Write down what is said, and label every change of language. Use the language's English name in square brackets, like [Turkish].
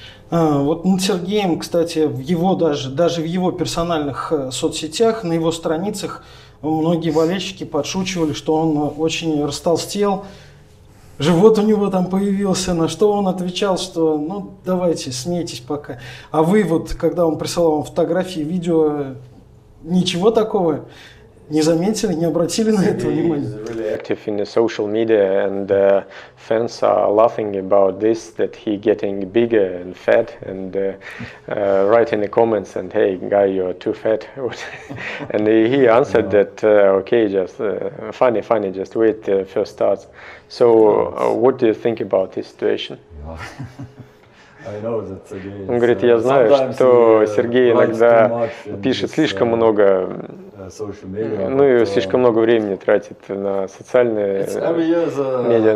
[Russian] Вот над Сергеем, кстати, в его даже в его персональных соцсетях, на его страницах многие болельщики подшучивали, что он очень растолстел, живот у него там появился, на что он отвечал, что ну давайте, смейтесь пока. А вы вот, когда он присылал вам фотографии, видео, ничего такого не заметили, не обратили на это внимания. [English] Active in the social media, and fans are laughing about this, that he getting bigger and fat, and write in the comments and hey guy, you're too fat. And he answered that okay, just funny, just wait the first starts. So what do you think about this situation? [Russian] Он говорит, я знаю, что Сергей иногда пишет слишком много, ну и слишком много времени тратит на социальные медиа.